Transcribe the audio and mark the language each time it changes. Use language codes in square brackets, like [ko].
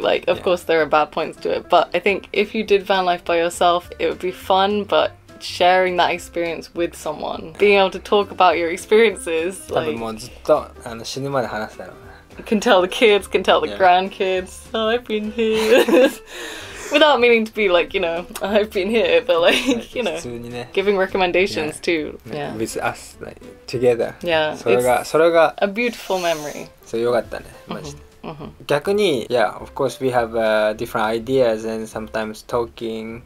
[en] Like, of course, there are bad points to it, but I think if you did van life by yourself, it would be fun, but sharing that experience with someone, being able to talk about your experiences, like, [ja] 多分もうずっとあの死ぬまで話すだろうな。 [en] Can tell the kids, can tell the grandkids, oh, I've been here. Without meaning to be like, you know, I've been here, but like, you know, giving recommendations too. Yeah. With us, like, together. Yeah. [ja] それが [en] a beautiful memory. So, [ja] よかったね。 [en] Mm-hmm. [ja] 逆に、 [en] yeah, of course we have different ideas and sometimes talking.